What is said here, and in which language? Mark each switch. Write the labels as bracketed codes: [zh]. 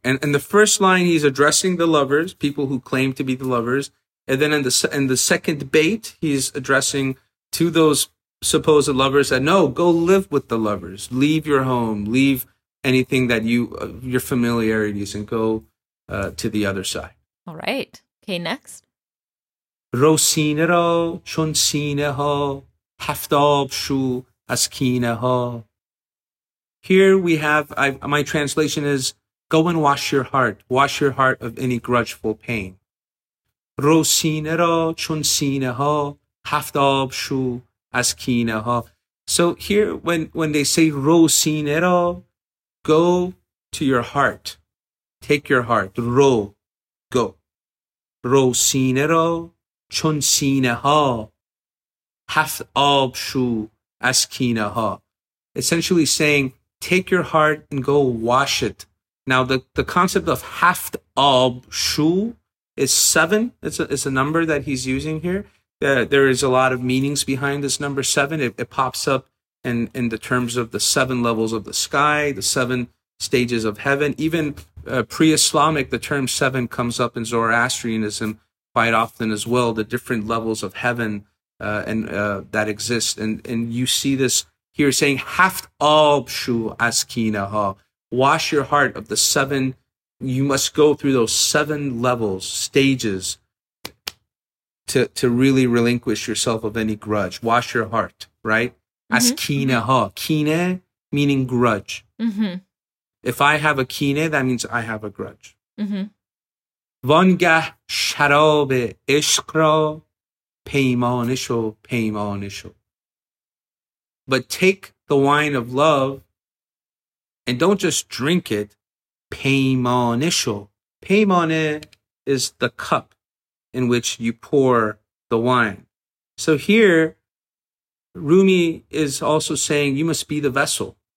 [en] And the first line, he's addressing the lovers, people who claim to be the lovers. And then in the second bait, he's addressing to those supposed lovers that, no, go live with the lovers. Leave your home. Leave anything that you, your familiarities, and go to the other side. All right. Okay, next. [fa] رو سینه را چون سینه ها هفتاب شو از کینه ها. [en] Here we have, my translation is, go and wash your heart of any grudgeful pain. [fa] رو سینه را چون سینه ها هفتاب شو از کینه ها. [en] So here, when they say [fa] رو سینه را, [en] go to your heart, take your heart, رو, go. [fa] رو سینه را چون سینه ها هفت آب شو از کینه ها. [en] Essentially saying, take your heart and go wash it. Now the concept of [fa] هفت آب شو [en] is seven. It's a number that he's using here. There is a lot of meanings behind this number seven. It pops up in the terms of the seven levels of the sky, the seven stages of heaven. Even pre-Islamic, the term seven comes up in Zoroastrianism quite often as well, the different levels of heaven and that exist. And you see this here saying, [fa] haft ab shu askina ha. [en] Wash your heart of the seven. You must go through those seven levels, stages, to really relinquish yourself of any grudge. Wash your heart, right? Mm-hmm. [fa] Askina ha. [en] Kine meaning grudge. Mm-hmm. If I have a kine, that means I have a grudge. Mm-hmm. [fa] وانگه شراب عشق را پیمانه شو. [en] But take the wine of love and don't just drink it. [fa] پیمانه شو. [en] پیمانه is the cup in which you pour the wine. So here, Rumi is also saying you must be the vessel.